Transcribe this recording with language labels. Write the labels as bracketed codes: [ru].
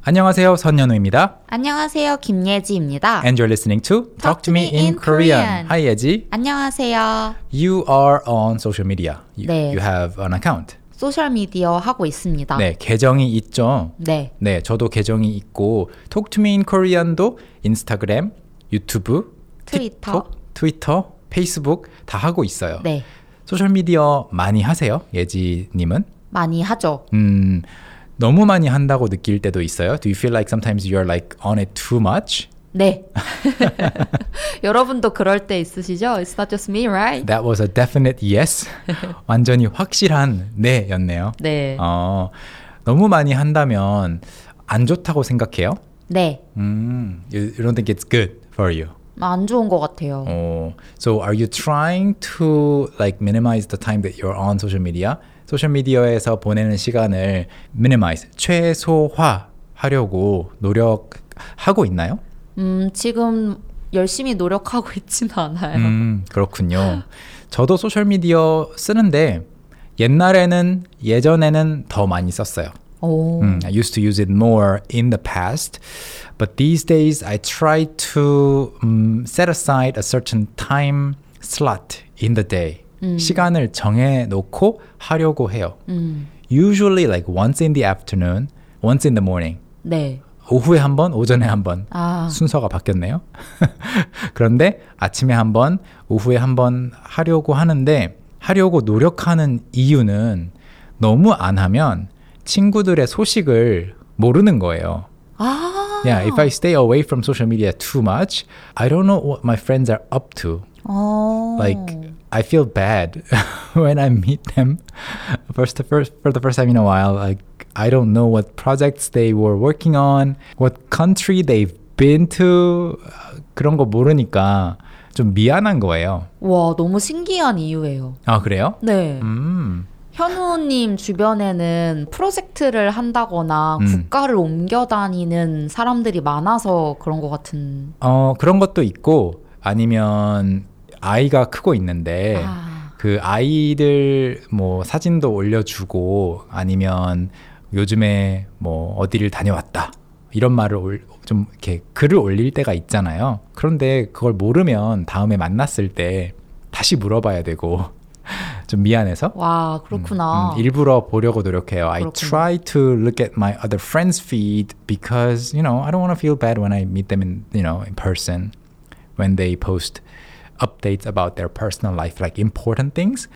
[ko] 안녕하세요, 선현우입니다. 안녕하세요, 김예지입니다. [en] And you're listening to Talk to me in Korean. Hi, 예지. [ko] 안녕하세요. [en] You are on social media. You have an account. [ko] 소셜 미디어 하고 있습니다. 네, 계정이 있죠. 네. 네, 저도 계정이 있고 Talk to me in Korean도 인스타그램, 유튜브, 트위터, 트위터, 페이스북 다 하고 있어요. 네. 소셜 미디어 많이 하세요, 예지님은? 많이 하죠. 너무 많이 한다고 느낄 때도 있어요. [en] Do you feel like sometimes you're like on it too much? [ko] 네. 여러분도 그럴 때 있으시죠? [en] It's not just me, right? That was a definite yes. [ko] 완전히 확실한 네였네요. 네. 너무 많이 한다면 안 좋다고 생각해요? 네. [en] You don't think it's good for you? [ko] 안 좋은 것 같아요. [en] So are you trying to like minimize the time that you're on social media? [ko] 소셜미디어에서 보내는 시간을 minimize, 최소화하려고 노력하고 있나요? 지금 열심히 노력하고 있진 않아요. 그렇군요. 저도 소셜미디어 쓰는데 예전에는 더 많이 썼어요. [en] I used to use it more in the past. But these days, I try to set aside a certain time slot in the day. [ko] 시간을 정해놓고 하려고 해요. [en] Usually like once in the afternoon, once in the morning. [ko] 네. 오후에 한 번, 오전에 한 번. 아. 순서가 바뀌었네요. 그런데 아침에 한 번, 오후에 한 번 하려고 하는데 하려고 노력하는 이유는 너무 안 하면 친구들의 소식을 모르는 거예요. 아. [en] Yeah, if I stay away from social media too much, I don't know what my friends are up to. Like, I feel bad when I meet them for the first time in a while. Like, I don't know what projects they were working on, what country they've been to. [ko] 그런 거 모르니까 좀 미안한 거예요. 와, 너무 신기한 이유예요. 아, 그래요? 네. 현우님 주변에는 프로젝트를 한다거나 국가를 옮겨 다니는 사람들이 많아서 그런 것 같은. 그런 것도 있고 아니면 아이가 크고 있는데 그 아이들 뭐 사진도 올려주고 아니면 요즘에 뭐 어디를 다녀왔다 이런 말을 좀 이렇게 글을 올릴 때가 있잖아요. 그런데 그걸 모르면 다음에 만났을 때 다시 물어봐야 되고 좀 미안해서. 와, 그렇구나. 일부러 보려고 노력해요. 그렇구나. [en] I try to look at my other friends' feed because, you know, I don't want to feel bad when I meet them in, you know, in person when they post updates about their personal life, like important things.